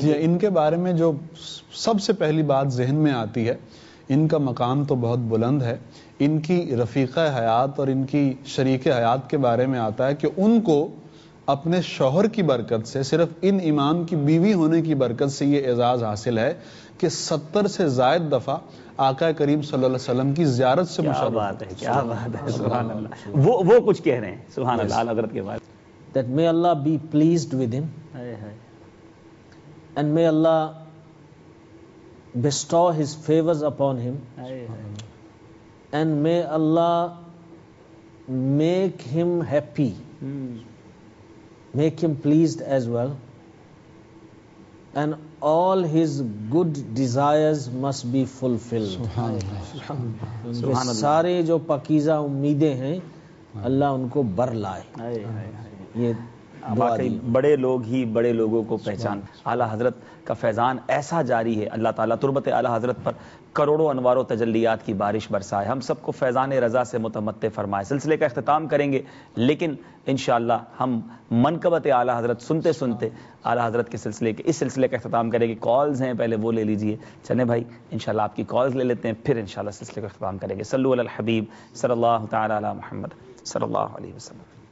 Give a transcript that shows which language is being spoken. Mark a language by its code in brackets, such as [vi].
[ur] جی۔ ان کے بارے میں جو سب سے پہلی بات ذہن میں آتی ہے، ان کا مقام تو بہت بلند ہے، ان کی رفیق حیات اور ان کی شریک حیات کے بارے میں آتا ہے کہ ان کو اپنے شوہر کی برکت سے، صرف ان امام کی بیوی ہونے کی برکت سے یہ اعزاز حاصل ہے کہ 70 سے زائد دفعہ آقا کریم صلی اللہ علیہ وسلم کی زیارت سے مشرف۔ کیا بات ہے، کیا بات ہے، سبحان اللہ، وہ کچھ کہہ رہے ہیں، سبحان اللہ، اعلی حضرت کے بارے میں۔ [en] That may Allah be pleased with him and may Allah bestow his favors upon him and may Allah make him happy, make him pleased as well, and all his good desires must be fulfilled. [ar] Subhanallah. [ur] سارے جو پاکیزہ امیدیں ہیں اللہ ان کو بر لائے۔ یہ بڑے لوگ ہی بڑے لوگوں کو پہچان، اعلیٰ حضرت کا فیضان ایسا جاری ہے، اللہ تعالیٰ تربت اعلیٰ حضرت پر کروڑوں انوار و تجلیات کی بارش برسائے، ہم سب کو فیضان رضا سے متمتع فرمائے۔ سلسلے کا اختتام کریں گے لیکن انشاءاللہ ہم منقبت اعلیٰ حضرت سنتے سنتے اعلیٰ حضرت کے سلسلے کے اس سلسلے کا اختتام کریں گے۔ کالز ہیں، پہلے وہ لے لیجئے۔ چنے بھائی انشاءاللہ آپ کی کالز لے لیتے ہیں، پھر انشاءاللہ سلسلے کا اختتام کریں گے۔ [ar] صلوا علی الحبیب صلی اللہ تعالیٰ علی محمد صلی اللہ علیہ وسلم۔